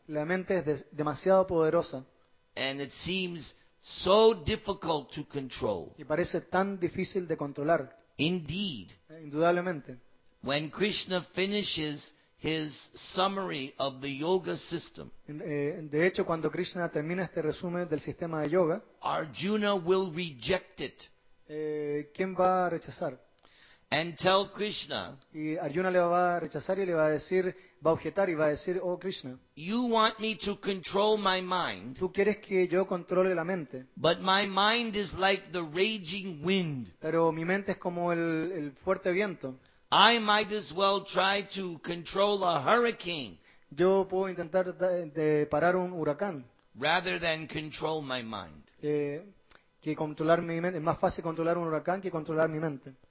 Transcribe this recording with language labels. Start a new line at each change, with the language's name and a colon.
Spanish: La mente es demasiado poderosa.
English: And it seems so difficult to control.
Spanish: Y parece tan difícil de controlar.
English: Indeed.
Spanish: Indudablemente.
English: When Krishna finishes his summary of the yoga system.
Spanish: De hecho, cuando Krishna termina este resumen del sistema de yoga,
English: Arjuna will reject it.
Spanish: ¿Quién va a rechazar?
English: And tell Krishna.
Spanish: Y Arjuna le va a rechazar y le va a decir, va a objetar y va a decir, oh Krishna.
English: You want me to control my mind.
Spanish: Tú quieres que yo controle la mente.
English: But my mind is like the raging wind.
Spanish: Pero mi mente es como el fuerte viento.
English: I might as well try to control a hurricane.
Spanish: Yo puedo intentar de parar un huracán.
English: Rather than control my mind.
Spanish: Que controlar mi mente. Es más fácil controlar un huracán que controlar mi mente.